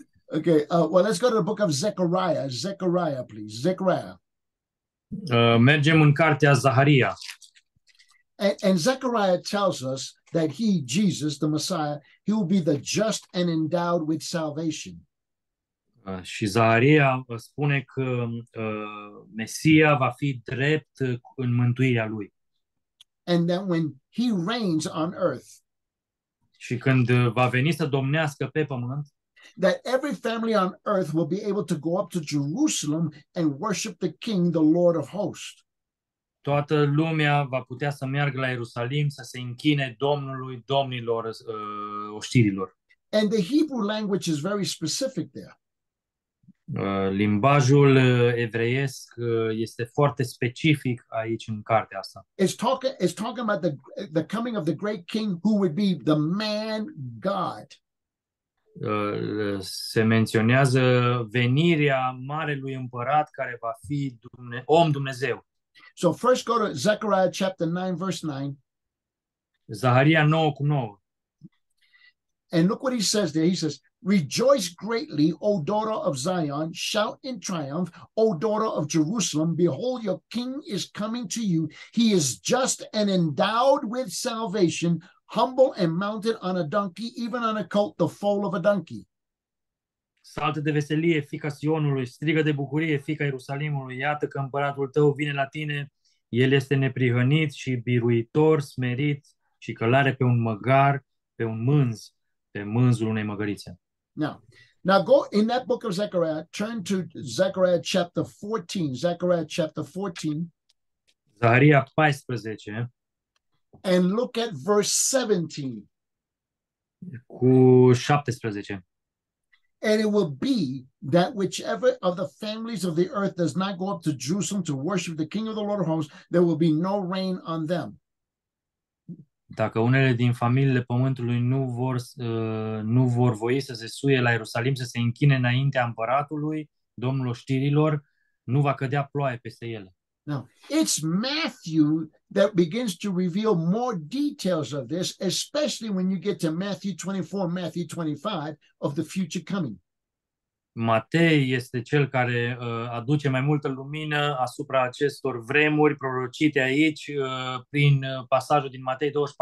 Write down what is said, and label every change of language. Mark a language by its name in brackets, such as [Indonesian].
[English] Okay, well, let's go to the book of Zechariah. Zechariah, please. Zechariah. [Romanian] Mergem în cartea Zaharia. [English] And Zechariah tells us that he, Jesus, the Messiah, he will be the just and endowed with salvation. [Romanian] Și Zaharia spune că Mesia va fi drept în mântuirea lui. [English] And that when he reigns on earth, [Romanian] și când va veni să domnească pe pământ, [English] that every family on earth will be able to go up to Jerusalem and worship the King, the Lord of Hosts. [Romanian] Toată lumea va putea să meargă la Ierusalim să se închine Domnului domnilor oștirilor. [English] And the Hebrew language is very specific there. [Romanian] Limbajul evreiesc este foarte specific aici în cartea asta. [English] It's talking about the coming of the great King who would be the man God. [Romanian] Se menționează venirea marelui împărat care va fi om Dumnezeu. [English] So first go to Zechariah chapter 9, verse 9. [Romanian] Zaharia 9 cu 9. [English] And look what he says there. He says, rejoice greatly, O daughter of Zion, shout in triumph, O daughter of Jerusalem, behold, your king is coming to you. He is just and endowed with salvation, humble and mounted on a donkey, even on a colt, the foal of a donkey. [Romanian] Saltă de veselie, fica Sionului, strigă de bucurie, fica Ierusalimului, iată că împăratul tău vine la tine, el este neprihănit și biruitor, smerit și călare pe un măgar, pe un mânz, pe mânzul unei măgărițe. [English] Now go in that book of Zechariah, turn to Zechariah chapter 14, Zechariah chapter 14. [Romanian] Zaharia 14. [English] And look at verse 17. [Romanian] Cu 17. [English] And it will be that whichever of the families of the earth does not go up to Jerusalem to worship the King of the Lord of Hosts, there will be no rain on them. [Romanian] Dacă unele din familiile pământului nu vor nu vor voi să se suie la Ierusalim să se închine înaintea împăratului, Domnul oștirilor, nu va cădea ploaie peste ele. [English] Now, it's Matthew that begins to reveal more details of this, especially when you get to Matthew 24, Matthew 25, of the future coming. [Romanian] Matei este cel care aduce mai multă lumină asupra acestor vremuri prorocite aici prin pasajul din Matei 24-25.